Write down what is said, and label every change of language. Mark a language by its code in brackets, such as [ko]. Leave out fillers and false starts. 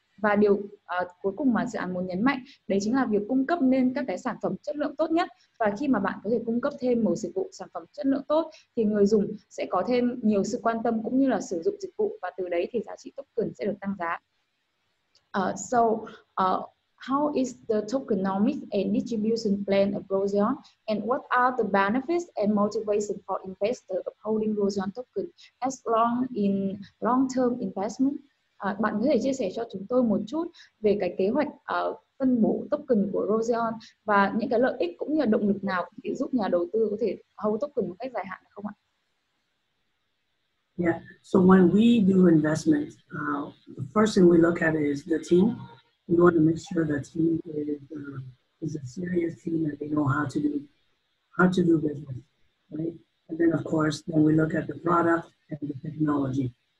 [vi] Và điều cuối cùng mà dự án muốn nhấn mạnh đấy chính là việc cung cấp nên các cái sản phẩm chất lượng tốt nhất. Và khi mà bạn có thể cung cấp thêm một dịch vụ sản phẩm chất lượng tốt thì người dùng sẽ có thêm nhiều sự quan tâm cũng như là sử dụng dịch vụ, và từ đấy thì giá trị token sẽ được tăng giá. [en] How is the tokenomics and distribution plan of Roseon, and what are the benefits and motivation for investors of holding Roseon token as long in long-term investment? [vi] Bạn có thể chia sẻ cho chúng tôi một chút về cái kế hoạch phân bổ token của Roseon và những cái lợi ích cũng như là động lực nào để giúp nhà đầu tư có thể hold token một cách dài hạn không ạ? [en] Yeah, so when we do investments, the first thing we look at is the team. We want to make sure the team is a serious team, that they know how to do business, right? And then of course, then we look at the product and the technology.